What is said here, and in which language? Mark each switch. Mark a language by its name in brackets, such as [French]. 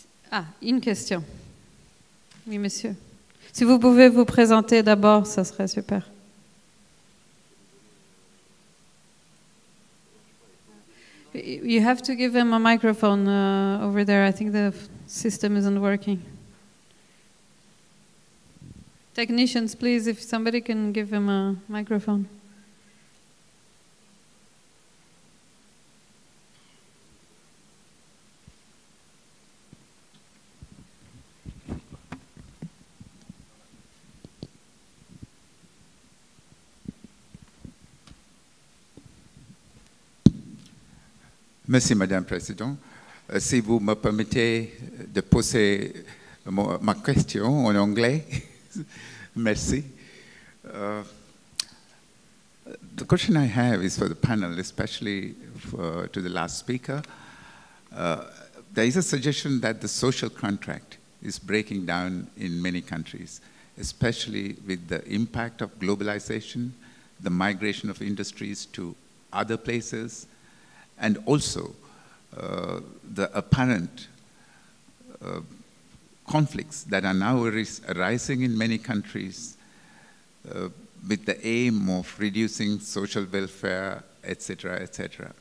[French] Ah, une question. Oui, monsieur. Si vous pouvez vous présenter d'abord, ça serait super. [English] You have to give him a microphone over there. I think the system isn't working. Technicians, please, if somebody can give him a microphone. [French] Merci, Madame la Présidente. Si vous me permettez de poser ma question en anglais, merci. [English] The question I have is for the panel, especially to the last speaker. There is a suggestion that the social contract is breaking down in many countries, especially with the impact of globalization, the migration of industries to other places, and also the apparent conflicts that are now arising in many countries with the aim of reducing social welfare, etc., etc.